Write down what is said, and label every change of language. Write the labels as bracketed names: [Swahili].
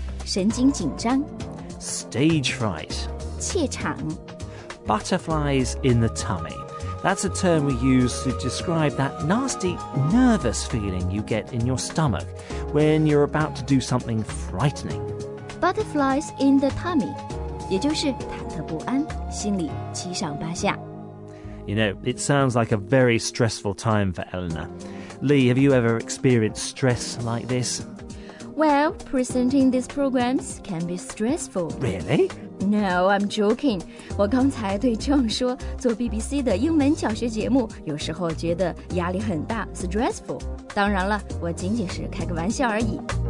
[Chinese] 神经紧张 [English] Stage fright. [Chinese] 怯场 [English] Butterflies in the tummy. That's a term we use to describe that nasty, nervous feeling you get in your stomach when you're about to do something frightening. Butterflies in the tummy. [Chinese] 也就是忐忑不安，心里七上八下 [English] You know, it sounds like a very stressful time for Eleanor. Lee, have you ever experienced stress like this? Well, presenting these programs can be stressful. Really? No, I'm joking. [Chinese] 我刚才对 John 说，做 BBC 的英文教学节目，有时候觉得压力很大 ，stressful. 当然了，我仅仅是开个玩笑而已。